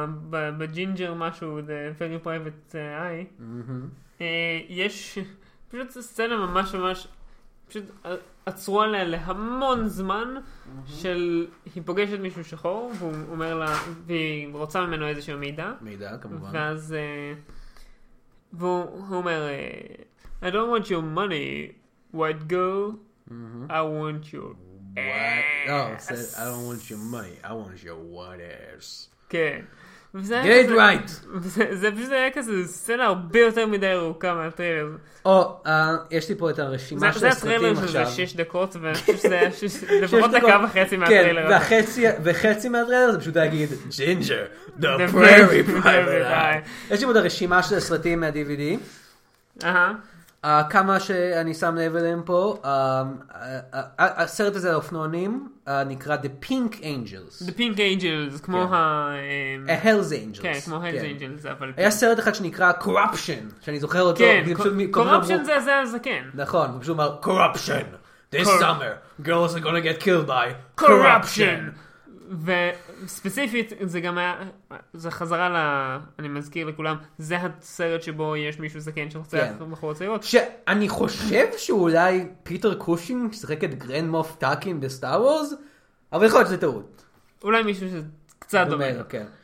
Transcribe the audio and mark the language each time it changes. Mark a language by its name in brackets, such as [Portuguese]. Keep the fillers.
[Hebrew] בג'ינג'ר משהו, The Very Private Eye, יש פשוט סצנה ממש ממש פשוט עצרו עליה להמון זמן של היא פוגשת מישהו שחור והוא אומר לה והיא רוצה ממנו איזשהו מידע. מידע כמובן. ואז uh, אומר [English] I don't want your money white girl I want your ass. I don't want your money I want your what ass. [Hebrew] כן. וזה היה כזה... [English] Right. [Hebrew] זה פשוט היה כזה סצנה הרבה יותר מדי ארוכה מהטריילר. או, uh, יש לי פה את הרשימה של הסרטים עכשיו. זה הטריילר שזה שש דקות, ואני דקה וחצי מהטריילר. כן, וחצי, מהטריילר זה פשוט להגיד, ג'ינג'ר, the, the prairie, prairie private יש לי פה את הרשימה של הסרטים מה-DVD. uh, כמה שאני שם לב אליהם פה, uh, uh, uh, הסרט הזה על אופנוענים uh, נקרא The Pink Angels. The Pink Angels, כמו כן. ה... Uh, Hell's Angels. כן, כמו Hell's כן. Angels, אבל... היה כן. סרט אחד שנקרא Corruption, שאני זוכר אותו. כן, Corruption זה זה הזקן. נכון, הוא פשוט אמר Corruption. [English] This Cor summer, girls are gonna get killed by corruption. [Hebrew] וספציפית, זה גם היה, זה חזרה ל... אני מזכיר לכולם, זה הסרט שבו יש מישהו זקן שרוצח כן. בחורות צעירות. שאני חושב שאולי פיטר קושינג שיחק את גרנד מוף טאקינג בסטאר וורז, אבל יכול להיות שזה טעות. אולי מישהו שקצת דומה. דומה כן.